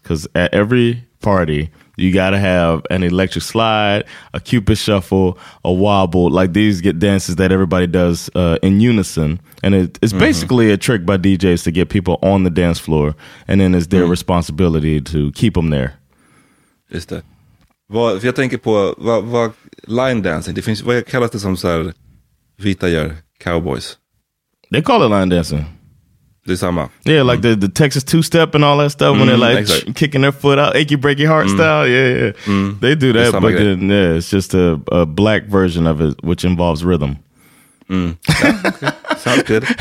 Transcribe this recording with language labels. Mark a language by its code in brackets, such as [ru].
[en] Because at every party, you got to have an electric slide, a Cupid shuffle, a wobble. Like, these get dances that everybody does in unison. And it's basically a trick by DJs to get people on the dance floor, and then it's their responsibility to keep them there. [sv] Just det. Vad jag tänker på, vad line dancing? Det finns, vad kallas det som så här vita gör, cowboys? [en] They call it line dancing. [sv] Det är samma. [en] Yeah, like the Texas two-step and all that stuff, when they're like kicking their foot out, achy breaky heart style. Yeah. They do that, but then, yeah, it's just a black version of it, which involves rhythm. Yeah, okay. Sounds good.